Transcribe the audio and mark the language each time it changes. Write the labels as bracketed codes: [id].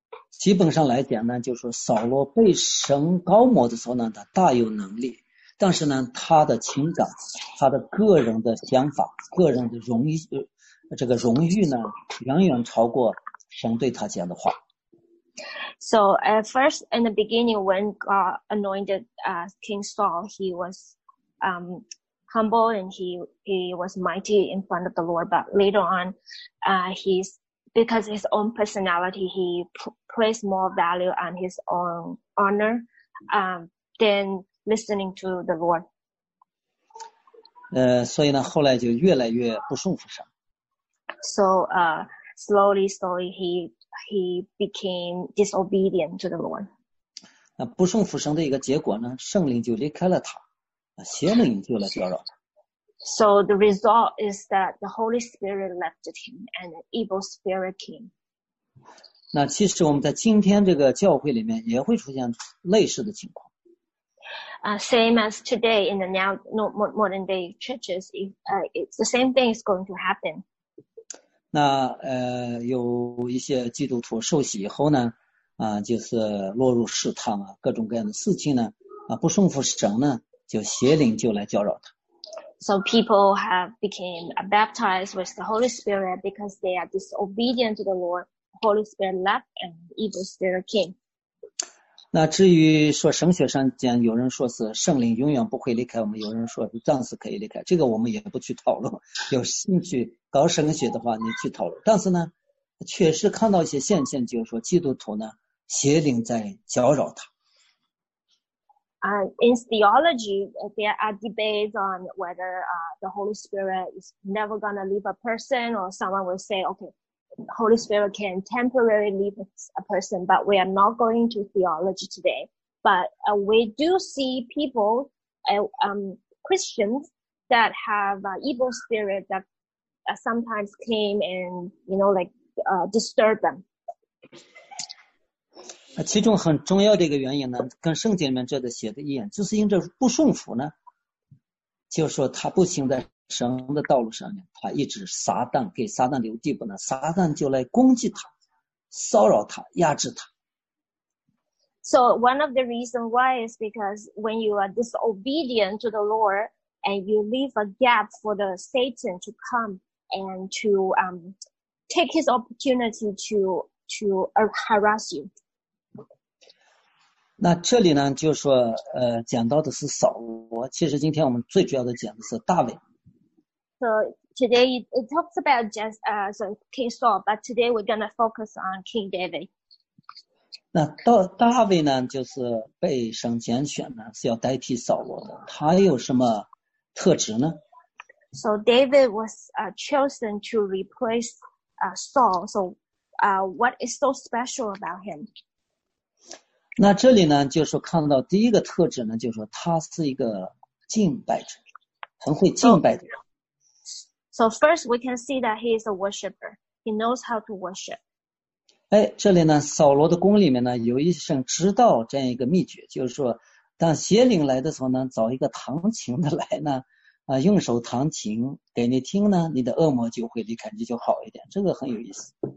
[zh] 基本上来讲呢，就是扫罗被神膏抹的时候呢，他大有能力，但是呢，他的情感、他的个人的想法、个人的荣誉，这个荣誉呢，远远超过神对他讲的话。 [en] So at first, in the beginning, when God anointed King Saul, he was humble and he was mighty in front of the Lord. But later on, he's because of his own personality, he placed more value on his own honor than listening to the Lord. [zh] 所以呢，后来就越来越不顺服神。 [en] So slowly he became disobedient to the Lord. [zh] 那不顺服神的一个结果呢，圣灵就离开了他，邪灵就来搅扰他。 [en] So the result is that the Holy Spirit left him and an evil spirit came. [zh] 那其实我们在今天这个教会里面也会出现类似的情况。 [en] Same as today in the now modern day churches, it's the same thing is going to happen. [zh] 那有一些基督徒受洗以后呢，就是落入试探啊，各种各样的事情呢，不顺服神呢，就邪灵就来搅扰他。 [en] So people have became baptized with the Holy Spirit because they are disobedient to the Lord. Holy Spirit left and evil spirit came. [zh] 那至于说神学上讲，有人说是圣灵永远不会离开我们，有人说是暂时可以离开，这个我们也不去讨论。有兴趣搞神学的话，你去讨论。但是呢，确实看到一些现象，就是说基督徒呢，邪灵在搅扰他。 [en] In theology, there are debates on whether the Holy Spirit is never going to leave a person, or someone will say, okay, Holy Spirit can temporarily leave a person, but we are not going to theology today. But we do see people, Christians, that have evil spirits that sometimes came and, you know, like disturb them. [zh] 其中很重要的一个原因呢，跟圣经里面这的写的一样，就是因着不顺服呢，就是说他不行在神的道路上面，他一直撒旦给撒旦留地步呢，撒旦就来攻击他，骚扰他，压制他。 [en] So one of the reason why is because when you are disobedient to the Lord and you leave a gap for the Satan to come and to take his opportunity to harass you. [zh] 那这里呢就是说讲到的是扫罗，其实今天我们最主要的讲的是大卫。 [en] So today it talks about just, King Saul, but today we're going to focus on King David. [zh] 那大卫呢就是被神拣选呢是要代替扫罗的，他有什么特质呢？ [en] So David was chosen to replace Saul. So what is so special about him? [zh] 那这里呢就是看到第一个特质呢，就是说他是一个敬拜者，很会敬拜的人。 [en] So first we can see that he is a worshipper. He knows how to worship. [zh] 哎，这里呢扫罗的宫里面呢有一圣知道这样一个秘诀，就是说当邪灵来的时候呢，找一个弹琴的来呢，用手弹琴给你听呢，你的恶魔就会离开，你就好一点，这个很有意思。